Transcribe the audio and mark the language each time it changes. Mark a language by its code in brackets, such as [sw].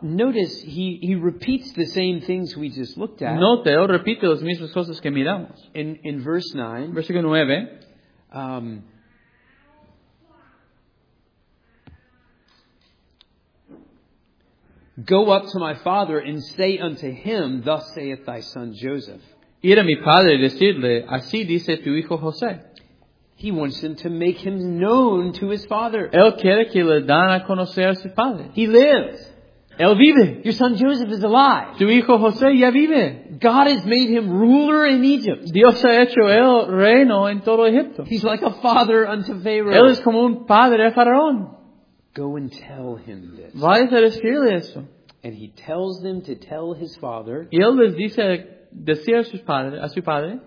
[en] Notice he repeats the same things we just looked at. [es] Note, él repite las mismas cosas que miramos. [en] In verse 9. [es] Versículo 9. [en] Go up to my father and say unto him, Thus saith thy son Joseph. [es] Ir a mi padre y decirle, así dice tu hijo José. [en] He wants him to make him known to his father. [es] Él quiere que le dan a conocer a su padre. [en] He lives. [es] Él vive. [en] Your son Joseph is alive. [es] Tu hijo José ya vive. [en] God has made him ruler in Egypt. [es] Dios ha hecho él reino en todo Egipto. [en] He's like a father unto Pharaoh. [es] Él es como un padre a Faraón. [en] Go and tell him this. [es] Vayas a decirle eso. [en] And he tells them to tell his father. [es] Y él les dice decir a su padre.